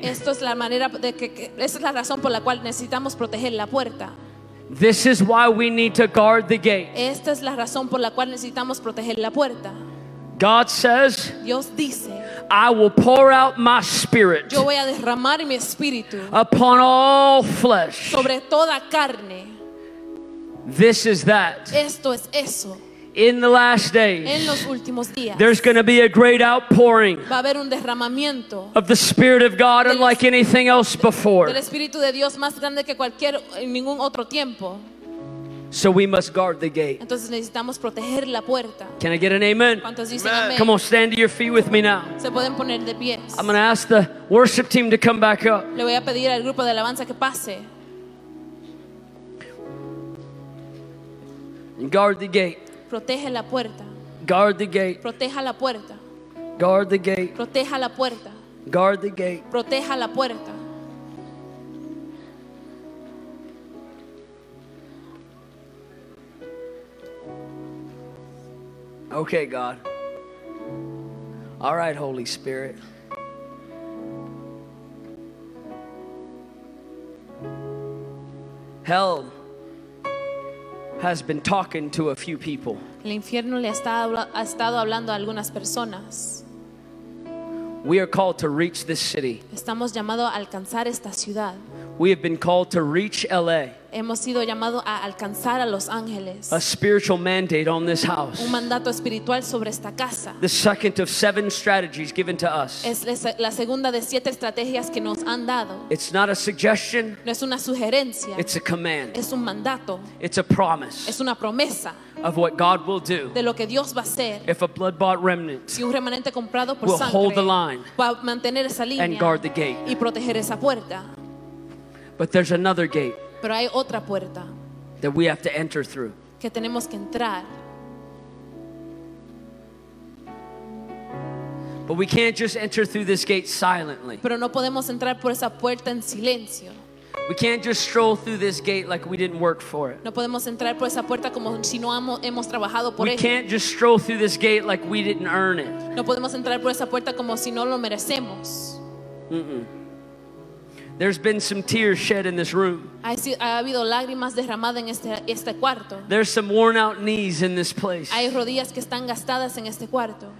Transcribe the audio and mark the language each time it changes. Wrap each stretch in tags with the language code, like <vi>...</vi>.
<es>Esto es la manera de que esa es la razón por la cual necesitamos proteger la puerta.</es> <en>This is why we need to guard the gate.</en> <es>Esta es la razón por la cual necesitamos proteger la puerta.</es> <en>God says,</en> <es>Dios dice,</es> <en>I will pour out my spirit.</en> <es>Yo voy a derramar mi espíritu.</es> <en>Upon all flesh.</en> <es>Sobre toda carne.</es> <en>This is that.</en> <es>Esto es eso.</es> <en>In the last days,</en> <es>en los últimos días,</es> <en>there's going to be a great outpouring,</en> <es>va a haber un derramamiento,</es> <en>of the Spirit of God unlike anything else before.</en> <es>Del Espíritu de Dios más grande que cualquier, en ningún otro tiempo.</es> <en>So we must guard the gate.</en> <es>Entonces necesitamos proteger la puerta.</es> <en>Can I get an amen?</en> <es>¿Cuántos dicen amen?</es> <en>Come on, stand to your feet with me now.</en> <es>Se pueden poner de pies.</es> <en>I'm going to ask the worship team to come back up.</en> <es>Le voy a pedir al grupo de alabanza que pase.</es> <en>Guard the gate.</en> <es>Protege la puerta.</es> <en>Guard the gate.</en> <es>Proteja la puerta.</es> <en>Guard the gate.</en> <es>Proteja la puerta.</es> <en>Guard the gate.</en> <es>Proteja la puerta.</es> <en>Okay, God. All right, Holy Spirit. Hell has been talking to a few people.</en> <es>El infierno le ha estado hablando a algunas personas.</es> <en>We are called to reach this city.</en> <es>Estamos llamados a alcanzar esta ciudad.</es> <en>We have been called to reach LA.</en> <es>Hemos sido llamados a alcanzar a Los Ángeles.</es> <en>A spiritual mandate on this house.</en> <es>Un mandato espiritual sobre esta casa.</es> <en>The second of seven strategies given to us.</en> <es>Es la segunda de siete estrategias que nos han dado.</es> <en>It's not a suggestion.</en> <es>No es una sugerencia.</es> <en>It's a command.</en> <es>Es un mandato.</es> <en>It's a promise.</en> <es>Es una promesa.</es> <en>Of what God will do.</en> <es>De lo que Dios va a hacer.</es> <en>If a blood-bought remnant.</en> <es>Si un remanente comprado por</es> <en>will</en> <es>sangre.</es> <en>Will hold the line.</en> <es>Va a mantener esa línea.</es> <en>And guard the gate.</en> <es>Y proteger esa puerta.</es> <en>But there's another gate.</en> <es>Pero hay otra puerta</es> <en>that we have to enter through.</en> <es>Que tenemos que entrar.</es> <en>But we can't just enter through this gate silently.</en> <es>Pero no podemos entrar por esa puerta en silencio.</es> <en>We can't just stroll through this gate like we didn't work for it.</en> <es>No podemos entrar por esa puerta como si no hemos trabajado por ella.</es> <en>We can't just stroll through this gate like we didn't earn it.</en> <es>No podemos entrar por esa puerta como si no lo merecemos.</es> <en>There's been some tears shed in this room.</en> <es>Ha habido lágrimas derramadas en este cuarto.</es> <en>There's some worn out knees in this place.</en> <es>Hay rodillas que están gastadas en este cuarto.</es>